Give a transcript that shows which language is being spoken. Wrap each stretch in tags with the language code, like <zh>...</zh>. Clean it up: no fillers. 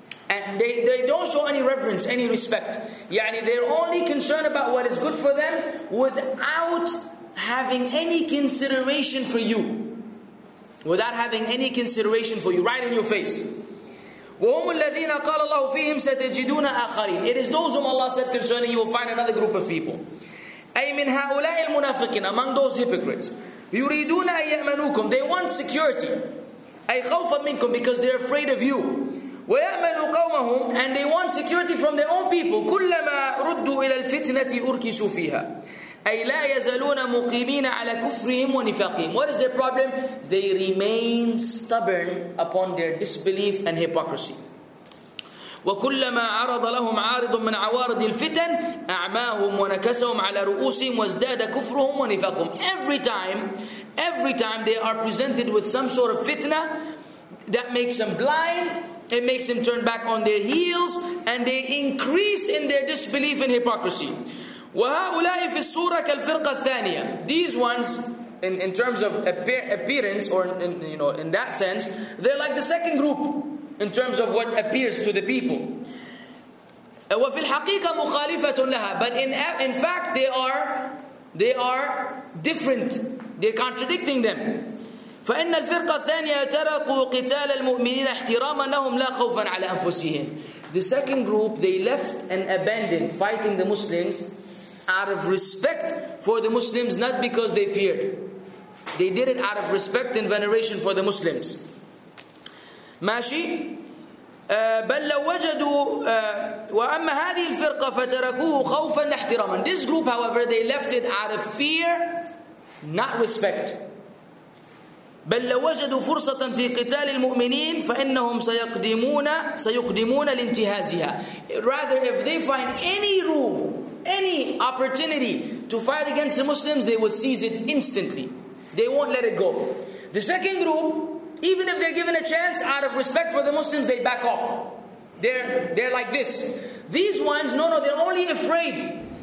<en>And they don't show any reverence, any respect. يعني they're only concerned about what is good for them without having any consideration for you. Without having any consideration for you, right in your face.</en> <ar>وَهُمُ الَّذِينَ قَالَ اللَّهُ فِيهِمْ سَتَجِدُونَ آخَرِينَ. It is those whom Allah said concerning you will find another group of people. أي من هؤلاء المنافقين,</ar> <en>among those hypocrites.</en> <ar>يُرِيدُونَ أَن يَأْمَنُوكُمْ.</ar> <en>They want security.</en> <ar>أي خَوْفًا مِنْكُمْ,</ar> <en>because they're afraid of you.</en> <ar>وَيَأْمَنُوا قَوْمَهُمْ,</ar> <en>and they want security from their own people.</en> <ar>كُلَّمَا رُدُّوا إِلَى الْفِتْنَةِ أُرْكِسُوا فِيهَا. أي لا يزالون مقيمين على كفرهم ونفاقهم.</ar> <en>What is their problem? They remain stubborn upon their disbelief and hypocrisy.</en> <ar>وكلما عرض لهم عارض من عوارض الفتن أعماهم ونكسهم على رؤوسهم وازداد كفرهم ونفاقهم.</ar> <en>Every time they are presented with some sort of fitna that makes them blind, it makes them turn back on their heels, and they increase in their disbelief and hypocrisy.</en> <ar>وهؤلاء في الصورة كالفرقة الثانية.</ar> <en>These ones, in terms of appearance, or in that sense, they're like the second group in terms of what appears to the people.</en> <ar>وفي الحقيقة مخالفة لها.</ar> <en>But in fact, they are different. They're contradicting them.</en> <ar>فإن الفرقة الثانية تركوا قتال المؤمنين احتراما لهم لا خوفا على أنفسهم.</ar> <en>The second group, they left and abandoned fighting the Muslims out of respect for the Muslims, not because they feared. They did it out of respect and veneration for the Muslims.</en> <ar>ماشي. بل لو وجدوا وأما هذه الفرقة فتركوه خوفا احتراما.</ar> <en>This group, however, they left it out of fear, not respect.</en> <ar>بل لو وجدوا فرصة في قتال المؤمنين فإنهم سيقدمون لانتهازها.</ar> <en>Rather, if they find any room, any opportunity to fight against the Muslims, they will seize it instantly. They won't let it go. The second group, even if they're given a chance, out of respect for the Muslims, they back off. They're like this. These ones, no, they're only afraid.</en>